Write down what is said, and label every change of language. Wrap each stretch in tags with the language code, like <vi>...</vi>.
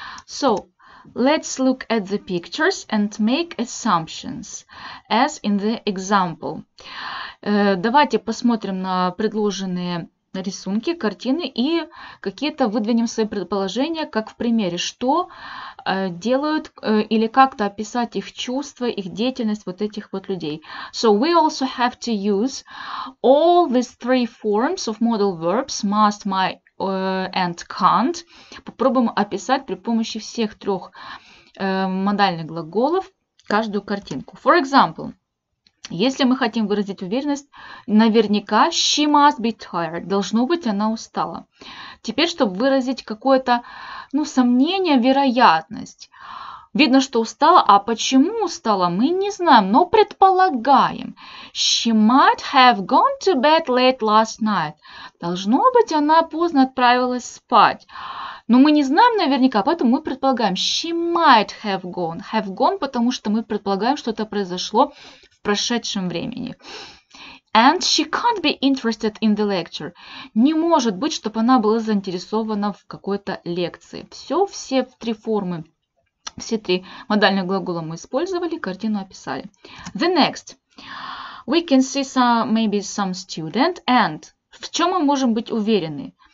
<en>So, let's look at the pictures and make assumptions, as in the example.</en> <ru>Давайте посмотрим на предложенные рисунки, картины и какие-то выдвинем свои предположения, как в примере, что делают или как-то описать их чувства, их деятельность вот этих вот людей.</ru> <en>So we also have to use all these three forms of modal verbs, must, might, and can't.</en> <ru>Попробуем описать при помощи всех трех модальных глаголов каждую картинку.</ru> <en>For example,</en> <ru>если мы хотим выразить уверенность, наверняка</ru> <en>she must be tired.</en> <ru>Должно быть, она устала. Теперь, чтобы выразить какое-то, ну, сомнение, вероятность. Видно, что устала, а почему устала, мы не знаем, но предполагаем.</ru> <en>She might have gone to bed late last night.</en> <ru>Должно быть, она поздно отправилась спать. Но мы не знаем наверняка, поэтому мы предполагаем.</ru> <en>She might have gone.</en> <ru>Have gone, потому что мы предполагаем, что это произошло в прошедшем времени.</ru> <en>And she can't be interested in the lecture.</en> <ru>Не может быть, чтобы она была заинтересована в какой-то лекции. Все, все три формы, все три модальных глагола мы использовали, картину описали.</ru> <en>The next. We can see some, maybe some student.</en> <ru>And в чем мы можем быть уверены?</ru>